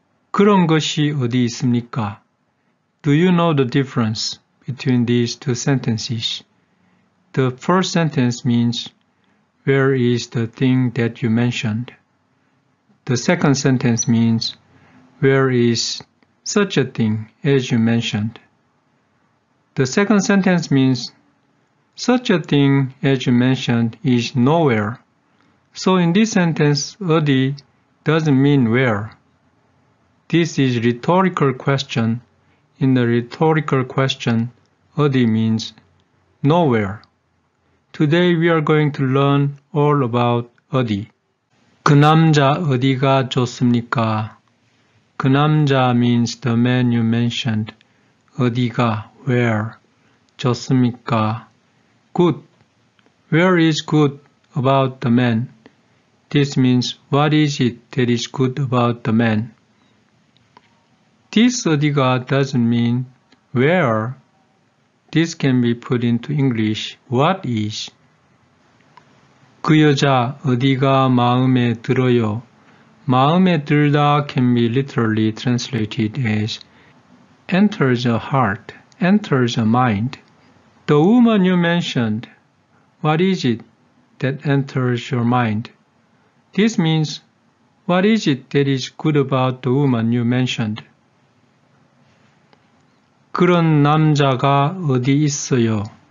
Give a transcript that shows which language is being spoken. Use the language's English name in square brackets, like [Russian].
[Korean] 그런 것이 어디 있습니까? [English] Do you know the difference between these two sentences? The first sentence means, Where is the thing that you mentioned? The second sentence means, Where is such a thing as you mentioned? The second sentence means, Such a thing as you mentioned is nowhere. So in this sentence, 어디 doesn't mean where. This is a rhetorical question. In the rhetorical question, 어디 means nowhere. Today we are going to learn all about 어디. [Korean] 그 남자 어디가 좋습니까? 그 남자 [English] means the man you mentioned. [Korean] 어디가, [English] where, [Korean] 좋습니까? [English] Good. Where is good about the man? This means, what is it that is good about the man? This 어디가 doesn't mean where. This can be put into English, what is. [Korean] 그 여자 어디가 마음에 들어요? 마음에 들다 [English] can be literally translated as enters a heart, enters a mind. The woman you mentioned, what is it that enters your mind? This means, what is it that is good about the woman you mentioned? [Korean] 그런 남자가 어디 있어요?